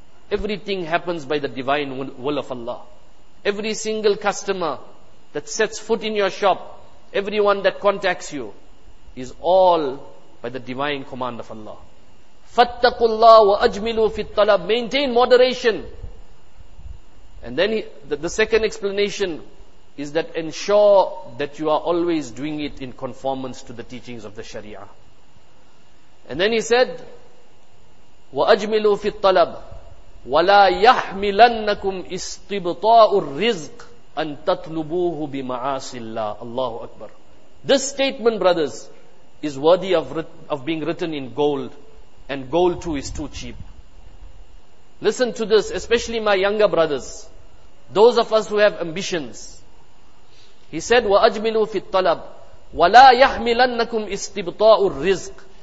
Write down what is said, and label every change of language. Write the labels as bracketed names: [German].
[English] Everything happens by the divine will of Allah. Every single customer that sets foot in your shop, everyone that contacts you, is all by the divine command of Allah. [Arabic] فَاتَّقُوا اللَّهُ وَأَجْمِلُوا فِي الطَّلَبِ. [English] Maintain moderation. And then the second explanation is that ensure that you are always doing it in conformance to the teachings of the Sharia. And then he said, [Arabic] وَأَجْمِلُوا فِي الطَّلَبِ وَلَا يَحْمِلَنَّكُمْ إِسْتِبْطَاءُ الرِّزْقِ أَن تَطْلُبُوهُ بِمَعَاصِ اللَّهِ. Allahu Akbar. [English] This statement, brothers, is worthy of being written in gold. And gold too is too cheap. Listen to this, especially my younger brothers, those of us who have ambitions. He said, [Arabic] "Wa ajmilu fi talab, wa la yahmilannakum istibta'u rizq."